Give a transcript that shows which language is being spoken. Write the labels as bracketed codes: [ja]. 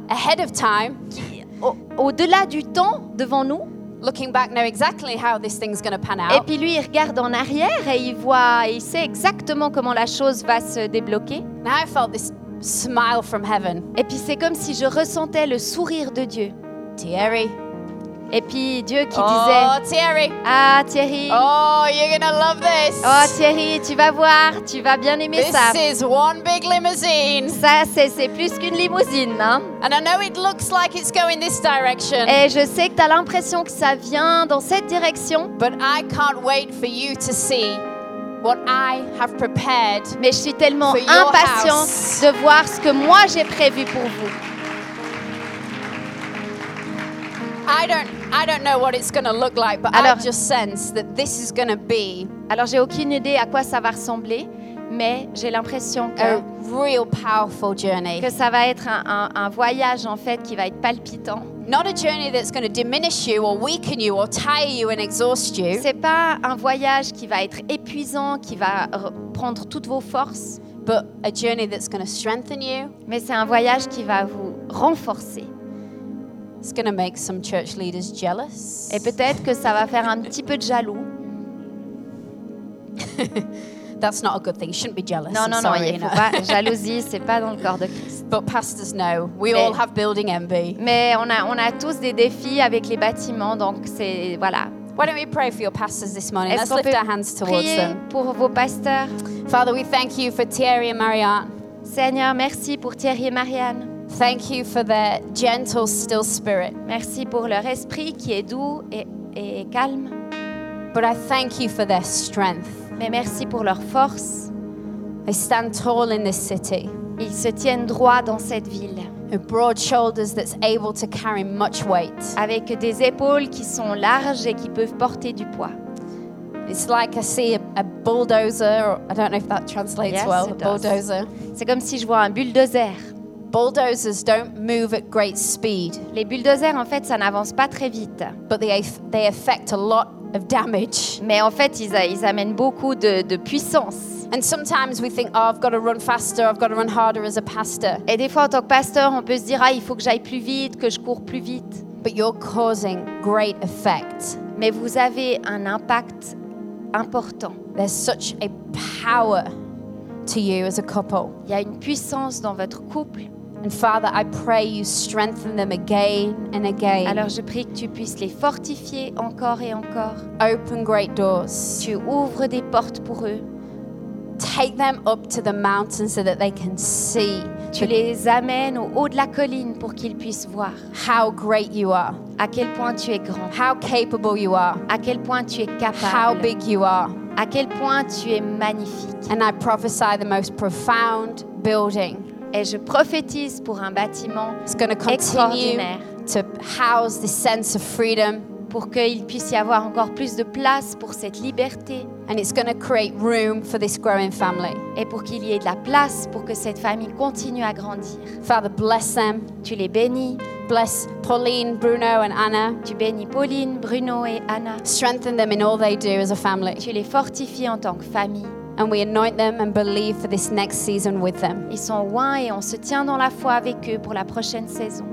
[en] Ahead of time. [fr] Au-delà du temps devant nous. [en] Looking back, know exactly how this thing's going to pan out. [fr] Et puis lui, il regarde en arrière et il sait exactement comment la chose va se débloquer. [en] Now I felt this smile from heaven. [fr] Et puis c'est comme si je ressentais le sourire de Dieu. [en] Thierry. [fr] Et puis Dieu qui disait. [en] Oh Thierry. [fr] Ah Thierry. [en] Oh, you're gonna love this. [fr] Oh Thierry, tu vas voir, tu vas bien aimer [en] this [fr] ça. [en] This is one big limousine. [fr] Ça, c'est plus qu'une limousine, hein. [en] And I know it looks like it's going this direction. [fr] Et je sais que t'as l'impression que ça vient dans cette direction. [en] But I can't wait for you to see what I have prepared. [fr] Mais je suis tellement impatient de voir ce que moi j'ai prévu pour vous. [en] I don't know what it's going to look like, but [fr] alors, [en] I just sense that this is going to be. [fr] Alors j'ai aucune idée à quoi ça va ressembler, mais j'ai l'impression que [en] a real powerful journey. [fr] Que ça va être un voyage en fait qui va être palpitant. [en] Not a journey that's going to diminish you or weaken you or tire you and exhaust you. [fr] C'est pas un voyage qui va être épuisant, qui va prendre toutes vos forces. [en] But a journey that's going to strengthen you. [fr] Mais c'est un voyage qui va vous renforcer. [en] It's going to make some church leaders jealous. [fr] Et peut-être que ça va faire un petit peu de jaloux. [en] That's not a good thing. You shouldn't be jealous. [fr] Non, non, [en] sorry, [fr] non, il ne faut pas. Jalousie, c'est pas dans le corps de Christ. [en] But pastors know. We all have building envy. [fr] Mais on a tous des défis avec les bâtiments, donc c'est voilà. [en] Why don't we pray for your pastors this morning? [fr] Est-ce [en] Let's lift our hands towards [fr] prier [en] them. [fr] Pour vos pasteurs. [en] Father, we thank you for Thierry and Marianne. [fr] Seigneur, merci pour Thierry et Marianne. [en] Thank you for their gentle, still spirit. [fr] Merci pour leur esprit qui est doux et calme. [en] But I thank you for their strength. [fr] Mais merci pour leur force. [en] They stand tall in this city. [fr] Ils se tiennent droit dans cette ville. [en] With broad shoulders that's able to carry much weight. [fr] Avec des épaules qui sont larges et qui peuvent porter du poids. [en] It's like I see a bulldozer. Or I don't know if that translates yes, well. It does. A bulldozer. [fr] C'est comme si je vois un bulldozer. [en] Bulldozers don't move at great speed. [fr] Les bulldozers, en fait, ça n'avance pas très vite. [en] But they affect a lot of damage. [fr] Mais en fait, ils amènent beaucoup de puissance. [en] And sometimes we think, oh, I've got to run faster, I've got to run harder as a pastor. [fr] Et des fois, en tant que pasteur, on peut se dire, ah, il faut que j'aille plus vite, que je cours plus vite. [en] But you're causing great effect. [fr] Mais vous avez un impact important. [en] There's such a power to you as a couple. [fr] Il y a une puissance dans votre couple. [en] And Father, I pray you strengthen them again and again. [fr] Alors je prie que tu puisses les fortifier encore et encore. [en] Open great doors. [fr] Tu ouvres des portes pour eux. [en] Take them up to the mountain so that they can see. [fr] Tu les amènes au haut de la colline pour qu'ils puissent voir. [en] How great you are. [fr] À quel point tu es grand. [en] How capable you are. [fr] À quel point tu es capable. [en] How big you are. [fr] À quel point tu es magnifique. [en] And I prophesy the most profound building. [fr] Et je prophétise pour un bâtiment extraordinaire [en] to house this sense of freedom, [fr] pour qu'il puisse y avoir encore plus de place pour cette liberté. [en] And it's going to create room for this growing family. [fr] Et pour qu'il y ait de la place pour que cette famille continue à grandir. [en] Father, bless them. [fr] Tu les bénis. [en] Bless Pauline, Bruno and Anna. [fr] Tu bénis Pauline, Bruno et Anna. [en] Strengthen them in all they do as a family. [fr] Tu les fortifies en tant que famille. [en] And we anoint them and believe for this next season with them. [fr] Ils sont oints et on se tient dans la foi avec eux pour la prochaine saison.